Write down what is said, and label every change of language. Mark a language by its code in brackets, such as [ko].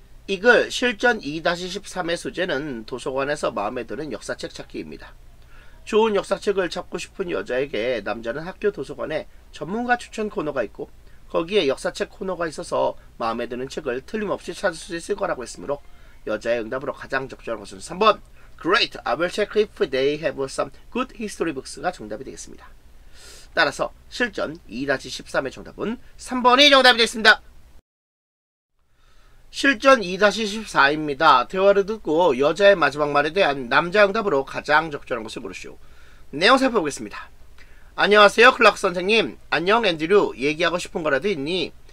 [ko] 이 글 실전 2-13의 소재는 도서관에서 마음에 드는 역사책 찾기입니다. 좋은 역사책을 찾고 싶은 여자에게 남자는 학교 도서관에 전문가 추천 코너가 있고 거기에 역사책 코너가 있어서 마음에 드는 책을 틀림없이 찾을 수 있을 거라고 했으므로 여자의 응답으로 가장 적절한 것은 3번 [en] Great! I will check if they have some good history books [ko] 가 정답이 되겠습니다. 따라서 실전 2-13의 정답은 3번이 정답이 되겠습니다. 실전 2-14입니다. 대화를 듣고 여자의 마지막 말에 대한 남자 응답으로 가장 적절한 것을 고르시오. 내용 살펴보겠습니다. 안녕하세요, 클락스 선생님. 안녕, 앤드류. 얘기하고 싶은 거라도 있니?